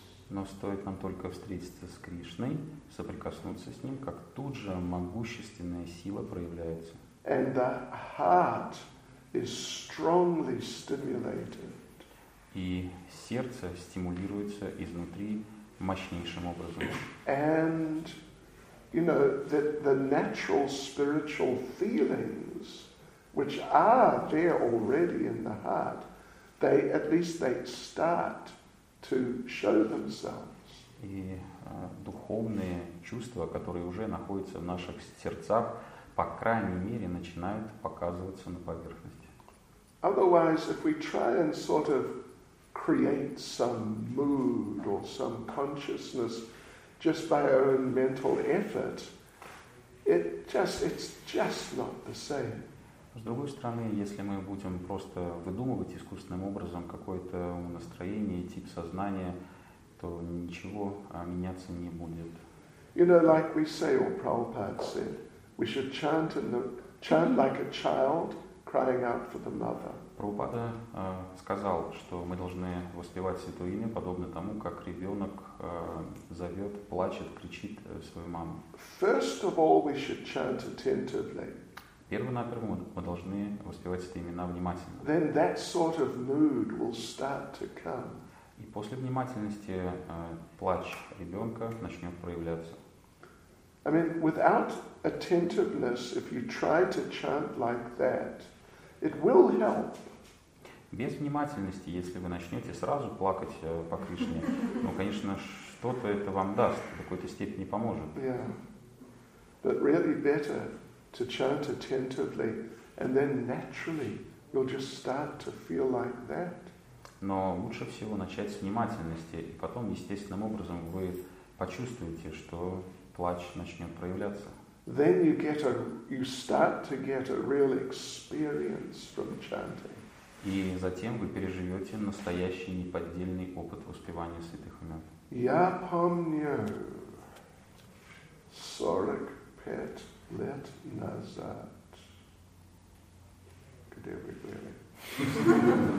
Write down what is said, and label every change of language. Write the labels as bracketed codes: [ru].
[ru] Но стоит нам только встретиться с Кришной, соприкоснуться с ним, как тут же могущественная сила проявляется. [en] And the heart is strongly stimulated. [ru] И сердце стимулируется изнутри мощнейшим образом. [en] And you know that the natural spiritual feelings, which are there already in the heart, they start to show themselves. [ru] И духовные чувства, которые уже находятся в наших сердцах, по крайней мере, начинают показываться на поверхности. [en] Otherwise, if we try and sort of create some mood or some consciousness just by our own mental effort, it's just not the same. [ru] С другой стороны, если мы будем просто выдумывать искусственным образом какое-то настроение, тип сознания, то ничего меняться не будет. [en] You know, like we say, or Prabhupada said, we should chant like a child crying out for the mother. [ru] Прабхупада сказал, что мы должны воспевать святое имя, подобно тому, как ребенок зовет, плачет, кричит свою маму. [en] First of all, we should chant attentively. [ru] Первонаперво мы должны воспевать святые имена внимательно. [en] Then that sort of mood will start to come. [ru] И после внимательности плач ребенка начнет проявляться. [en] I mean, without attentiveness, if you try to chant like that, it will help. [ru] Без внимательности, если вы начнете сразу плакать по Кришне, ну, конечно, что-то это вам даст, в какой-то степени поможет. [en] But really better to chant attentively, and then naturally you'll just start to feel like that. [ru] Но лучше всего начать с внимательности, и потом естественным образом вы почувствуете, что плач начнет проявляться. [en] Then you start to get a real experience from chanting. [ru] И затем вы переживете настоящий неподдельный опыт воспевания святых имен. Я помню 45 лет назад. Где вы были?